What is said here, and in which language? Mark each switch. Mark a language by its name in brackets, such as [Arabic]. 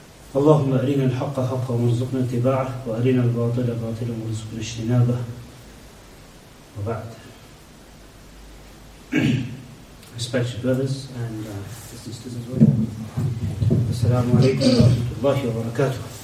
[Arabic] اللهم أرنا الحق حقا وارزقنا اتباعه وأرنا الباطل باطلا وارزقنا اجتنابه وبعد. [English] Respected brothers and sisters as well. [Arabic] السلام عليكم ورحمة الله وبركاته.